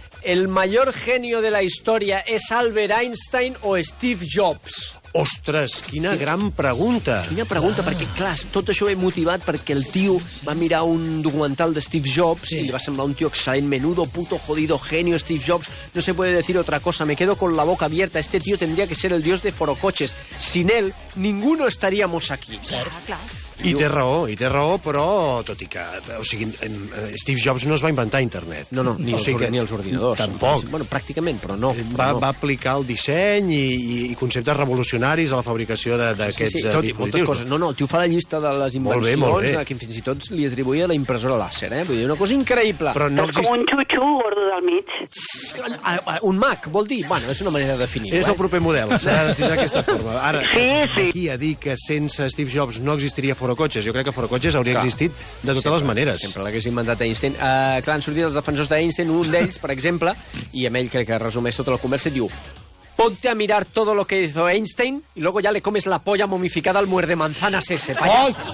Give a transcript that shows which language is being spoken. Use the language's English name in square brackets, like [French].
[Spanish] El mayor genio de la historia es Albert Einstein o Steve Jobs? [Catalan] Ostres, quina gran pregunta. Quina pregunta, perquè, clar, tot això ve motivat perquè el tio va mirar un documental de Steve Jobs i li va semblar un tio excel·lent, [Spanish] menudo, puto, jodido, genio, [Catalan] Steve Jobs. [Spanish] No se puede decir otra cosa, me quedo con la boca abierta. Este tío tendría que ser el dios de Foro Cotxes. Sin él, ninguno estaríamos aquí. Claro, claro. [Catalan] I té raó, però tot i que... O sigui, Steve Jobs no es va inventar internet. No, ni els ordinadors. Tampoc. Bueno, pràcticament, però no. Va aplicar el disseny i conceptes revolucionaris a la fabricació d'aquests dispositius. Sí, moltes coses. No, el tio fa la llista de les invencions, molt bé. Que fins i tot li atribuïa la impressora làser, eh? Vull dir, una cosa increïble. Però no existeix... És com un xutxu gordo del mig. Un Mac, vol dir? Bueno, és una manera de definir-ho, és el proper model, s'ha de tindre aquesta forma. Ara, sí. A dir que sense Steve Jobs no existiria Foro Cotxes. Jo crec que Foro Cotxes hauria existit de totes les maneres. Sempre l'haguessin mandat a Einstein. Clar, han sortit els defensors d'Einstein, un d'ells, per exemple, i amb ell crec que resumeix tota la conversa, diu... [Spanish] Ponte a mirar todo lo que hizo Einstein y luego ya le comes la polla momificada al muerde manzanas ese, payaso.